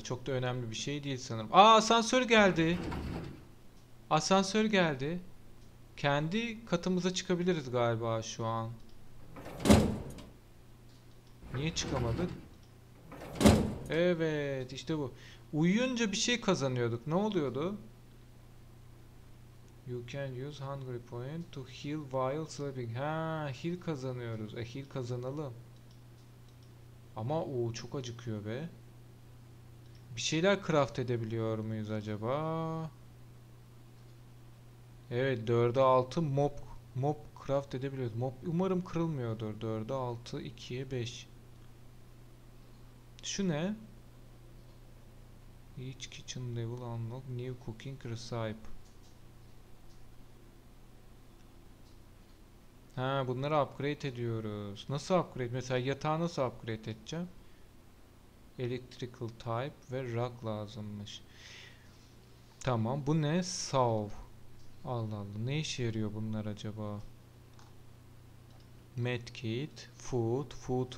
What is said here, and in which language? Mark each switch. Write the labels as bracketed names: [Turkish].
[Turkish] Çok da önemli bir şey değil sanırım. Aa, asansör geldi. Asansör geldi. Kendi katımıza çıkabiliriz galiba şu an. Niye çıkamadık? Evet, işte bu. Uyuyunca bir şey kazanıyorduk. Ne oluyordu? [English] You can use hungry point to heal while sleeping. [Turkish] Ha, heal kazanıyoruz. Heal kazanalım. Ama o çok acıkıyor be. Bir şeyler craft edebiliyor muyuz acaba? Evet, 4'e 6 mob craft edebiliyoruz. Mob umarım kırılmıyordur. 4'e 6, 2'ye 5. Şu ne? [English] Each kitchen level unlock new cooking recipe. [Turkish] Ha, bunları upgrade ediyoruz. Nasıl upgrade? Mesela yatağı nasıl upgrade edeceğim? Electrical type ve rug lazımmış. Tamam, bu ne? Saw. Allah Allah. Ne işe yarıyor bunlar acaba? Medkit, food, food.